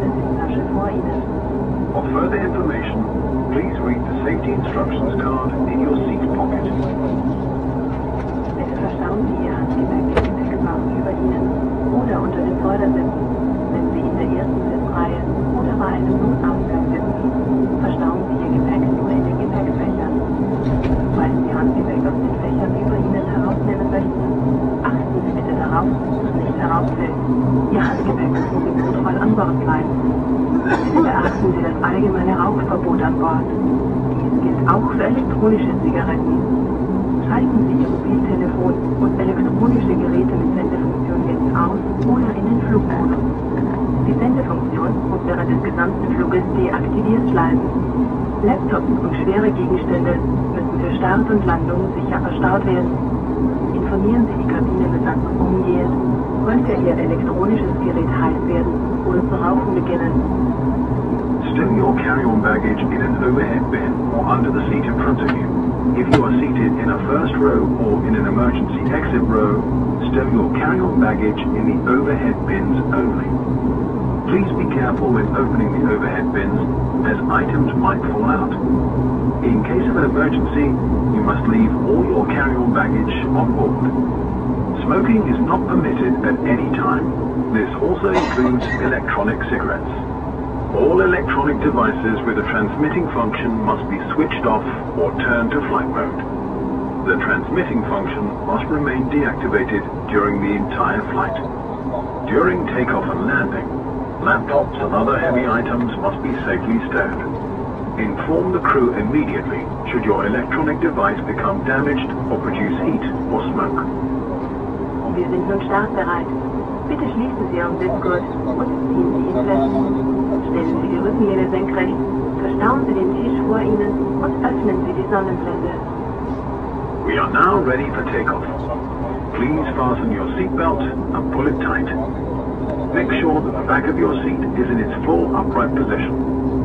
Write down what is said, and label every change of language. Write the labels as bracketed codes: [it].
[en] For further information, please read the safety instructions card in your seat pocket. [de] Bitte verschauen Sie Ihr Handgepäck im Gepäckraum über Ihnen oder unter den Vordersitzen, wenn Sie in der ersten Sitzreihe oder bei einem Notausgang sitzen. Verstauen Sie Ihr Gepäck nur in den Gepäckfächern. Falls Sie Handgepäck aus den Fächern über Ihnen herausnehmen möchten, achten Sie bitte darauf, dass nicht herausfällt. Ihr Handgepäck muss im Notfall an Bord bleiben. Bitte beachten Sie das allgemeine Rauchverbot an Bord. Dies gilt auch für elektronische Zigaretten. Schalten Sie Ihr Mobiltelefon und elektronische Geräte mit Sendefunktion jetzt aus oder in den Flugmodus. Die Sendefunktion muss während des gesamten Fluges deaktiviert bleiben. Laptops und schwere Gegenstände müssen für Start und Landung sicher verstaut werden. Informieren Sie die Kabinenbesatzung umgehend. Sollte Ihr elektronisches Gerät heiß werden oder zu rauchen beginnen. [en] Stow your carry-on baggage in an overhead bin or under the seat in front of you. If you are seated in a first row or in an emergency exit row, stow your carry-on baggage in the overhead bins only. Please be careful when opening the overhead bins, as items might fall out. In case of an emergency, you must leave all your carry-on baggage on board. Smoking is not permitted at any time. This also includes electronic cigarettes. All electronic devices with a transmitting function must be switched off or turned to flight mode. The transmitting function must remain deactivated during the entire flight. During takeoff and landing, laptops and other heavy items must be safely stowed. Inform the crew immediately should your electronic device become damaged or produce heat or smoke. [de] Wir sind nun startbereit. Bitte schließen Sie Ihren Sitzgurt und ziehen Sie ihn fest. Stellen Sie die Rückenlehne senkrecht, verstauen Sie den Tisch vor Ihnen und öffnen Sie die Sonnenblende. [en] We are now ready for takeoff. Please fasten your seatbelt and pull it tight. Make sure that the back of your seat is in its full upright position.